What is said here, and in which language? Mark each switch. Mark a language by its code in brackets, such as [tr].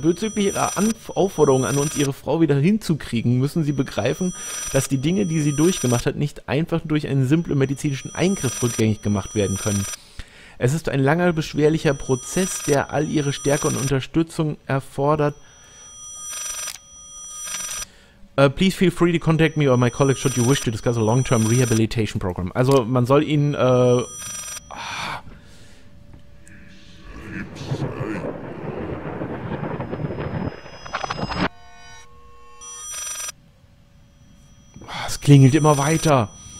[de] Bezüglich Ihrer Aufforderung an uns, Ihre Frau wieder hinzukriegen, müssen Sie begreifen, dass die Dinge, die sie durchgemacht hat, nicht einfach durch einen simplen medizinischen Eingriff rückgängig gemacht werden können. Es ist ein langer, beschwerlicher Prozess, der all ihre Stärke und Unterstützung erfordert. [en] Please feel free to contact me or my colleague should you wish to discuss a long-term rehabilitation program. [de] Also, man soll ihn, es klingelt immer weiter.